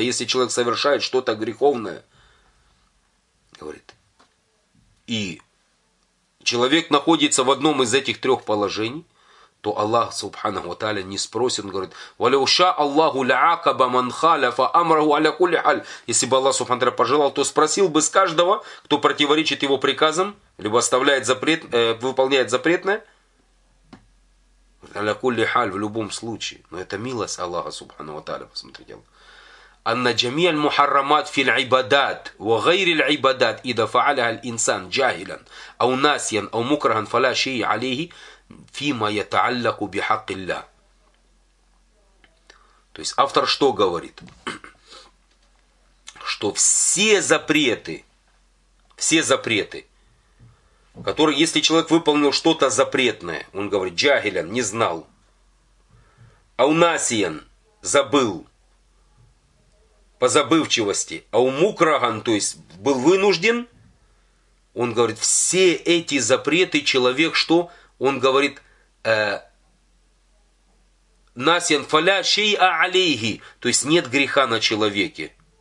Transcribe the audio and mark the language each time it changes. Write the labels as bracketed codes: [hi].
[ru] Если человек совершает что-то греховное, говорит, и человек находится в одном из этих трех положений, то Аллах Субханаху ва Тааля не спросит, он говорит, [ar] валяуша Аллаху ля'акаба ман халяфа амраху аля кулли халь. [ru] Если бы Аллах Субханаху ва Тааля пожелал, то спросил бы с каждого, кто противоречит его приказам, либо оставляет запрет, выполняет запретное, [ar] аля кулли халь, [ru] в любом случае. Но это милость Аллаха Субханаху ва Тааля, посмотрите. [ar] أن جميع المحرمات في العبادات وغير العبادات إذا فعلها الإنسان جاهلا أو ناسيا أو مكرها فلا شيء عليه فيما يتعلق بحق الله. [ru] То есть автор что говорит? Что все запреты, которые, если человек выполнил что-то запретное, он говорит, джахилен, не знал, аунасиен, забыл, по забывчивости, аумукраган, то есть был вынужден, он говорит, все эти запреты человек, что он говорит, [ar] насиен фаля шейа алейхи, [ru] то есть нет греха на человеке.